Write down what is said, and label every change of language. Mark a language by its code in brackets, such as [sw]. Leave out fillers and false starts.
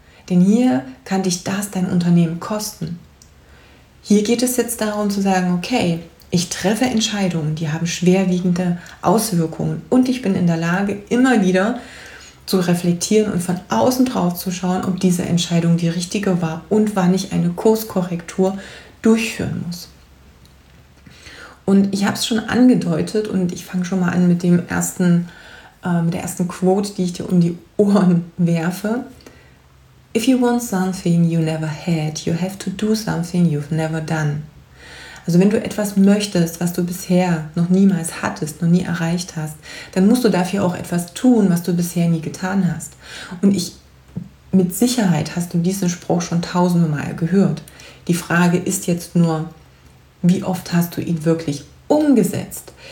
[de] Denn hier kann dich das dein Unternehmen kosten. Hier geht es jetzt darum zu sagen, okay, ich treffe Entscheidungen, die haben schwerwiegende Auswirkungen und ich bin in der Lage, immer wieder zu reflektieren und von außen drauf zu schauen, ob diese Entscheidung die richtige war und wann ich eine Kurskorrektur durchführen muss. Und ich habe es schon angedeutet und ich fange schon mal an mit dem ersten, der ersten Quote, die ich dir um die Ohren werfe. [en] If you want something you never had, you have to do something you've never done. [de] Also wenn du etwas möchtest, was du bisher noch niemals hattest, noch nie erreicht hast, dann musst du dafür auch etwas tun, was du bisher nie getan hast. Und ich, mit Sicherheit hast du diesen Spruch schon 1000 Mal gehört. Die Frage ist jetzt nur, wie oft hast du ihn wirklich umgesetzt?